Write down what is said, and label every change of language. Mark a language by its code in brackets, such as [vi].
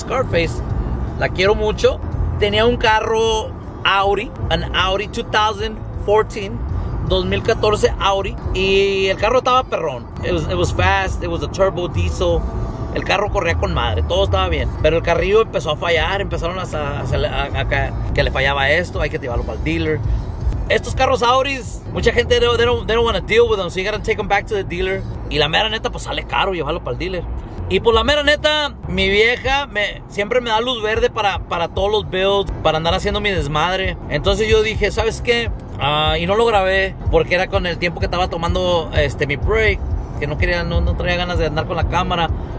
[es] Scarface, la quiero mucho. Tenía un carro Audi, [en] an Audi 2014 Audi, [es] y el carro estaba perrón. [en] It was fast, it was a turbo diesel. [es] El carro corría con madre, todo estaba bien. Pero el carrillo empezó a fallar, empezaron a que le fallaba esto, hay que llevarlo para el dealer. Estos carros Audi, mucha gente [en] they don't want to deal with them, so you gotta take them back to the dealer. [es] Y la mera neta, pues sale caro llevarlo para el dealer. Y por la mera neta, mi vieja siempre me da luz verde para todos los builds, para andar haciendo mi desmadre. Entonces yo dije, ¿sabes qué? Y no lo grabé, porque era con el tiempo que estaba tomando mi break, que no traía ganas de andar con la cámara.